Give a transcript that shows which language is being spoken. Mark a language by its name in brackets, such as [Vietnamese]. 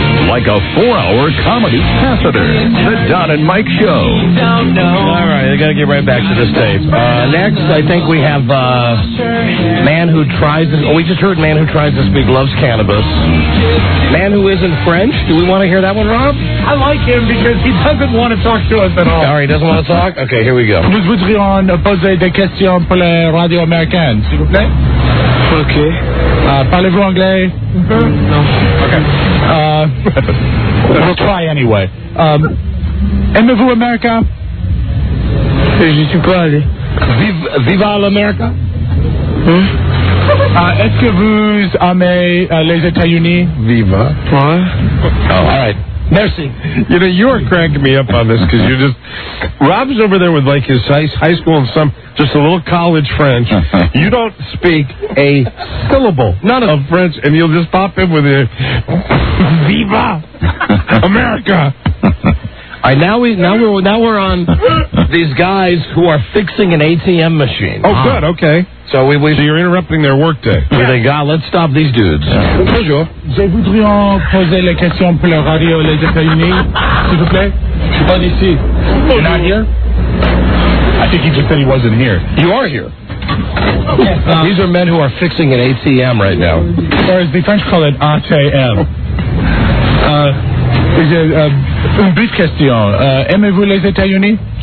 [English] Like a four-hour comedy catheter. The Don and Mike Show. All right, I got to get right back to this tape. Next, I think we have Man Who Tries to... Oh, we just heard Man Who Tries to Speak Loves Cannabis. Man Who Isn't French. Do we want to hear that one, Rob? I like him because he doesn't want to talk to us at all. All right, he doesn't want to talk? Okay, here we go. [French] Nous voudrions poser des questions pour les radios américaines, s'il vous plaît. [English] Okay. [French] Parlez-vous anglais? [English] No. Okay. We'll try anyway. [French] Aimez-vous America? Je suis pas allé. [Spanish] Viva l'America? [French] Est-ce que vous aimez les États-Unis? [Spanish] Viva. [English] What? Oh, all right. Merci. You know, you are cranking me up on this because you're just... Rob's over there with, like, his high school and some... Just a little college French. You don't speak a syllable of French, and you'll just pop in with your... [Spanish] Viva America! [English] All right, now we're on these guys who are fixing an ATM machine. Oh, good, okay. So you're interrupting their work day. Yeah. Where they got, let's stop these dudes. Yeah. Bonjour. [French] Je voudrais poser les questions pour la radio les États-Unis, s'il vous plaît. Je suis pas ici. [English] You're not here? I think he just said he wasn't here. You are here. Yes, these are men who are fixing an ATM right now. Or as the French call it, ATM. Is it une brief question? [French] Aimez-vous les États-Unis?